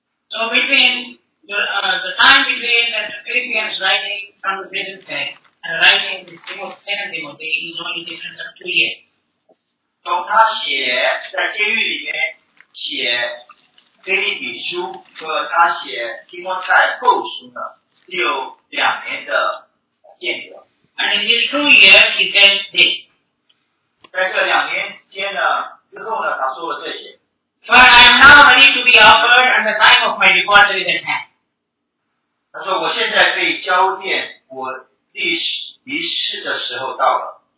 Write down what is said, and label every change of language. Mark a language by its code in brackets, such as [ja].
[en] So between the time between that Philippians writing from the prison cell and writing the second Timothy is only difference of 2 years. [zh] 从他写在监狱里面写《腓立比书》和他写《提摩太后书》呢，只有2年的间隔。 [en] And in these 2 years, he says this. [zh] 在这2年间呢之后呢，他说了这些。 [en] For I am now ready to be offered, and the time of my departure is at hand. [zh] 他说我现在被交奠，我离世的时候到了。